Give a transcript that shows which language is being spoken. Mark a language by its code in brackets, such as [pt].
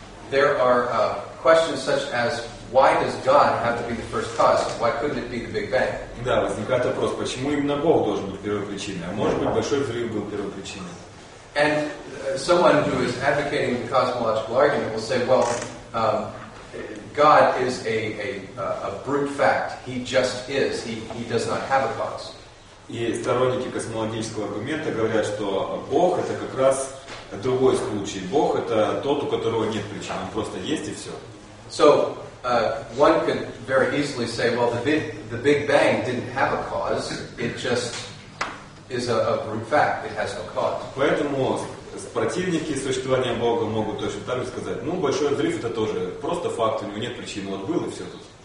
[en] There are questions such as why does God have to be the first cause? Why couldn't it be the Big Bang? [ru] Да, возникает вопрос, почему именно Бог должен быть первопричиной? А может быть, большой взрыв был первопричиной? [en] And someone who is advocating the cosmological argument will say, well, God is a brute fact. He just is. He does not have a cause. [ru] И сторонники космологического аргумента говорят, что Бог это как раз другой случай. Бог это тот, у которого нет причин. Он просто есть и все. [en] So one could very easily say, well, the Big Bang didn't have a cause. It just is a brute fact. It has no cause. [ru] Поэтому противники существования Бога могут точно так же сказать, ну, большой взрыв это тоже просто факт, у него нет причины, вот был и все тут.